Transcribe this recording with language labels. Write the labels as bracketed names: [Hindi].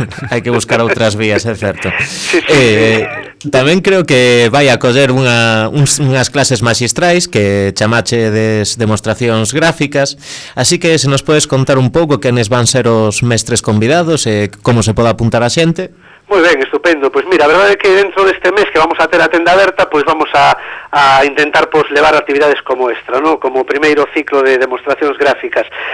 [Galician] Hai que buscar outras vías, é certo. Sí, sí, tamén creo que vai a coller unhas clases magistrais que chamache des demostracións gráficas, así que se nos podes contar un pouco quenes van ser os mestres convidados e como se pode apuntar a xente. [Spanish] Muy bien, estupendo. Pues mira, la verdad es que dentro de este mes que vamos a tener [Galician] a tenda aberta, [Spanish] pues vamos a intentar pues [Galician] levar actividades [Spanish] como extra, ¿no? [Galician] Como primeiro ciclo de demostracións gráficas.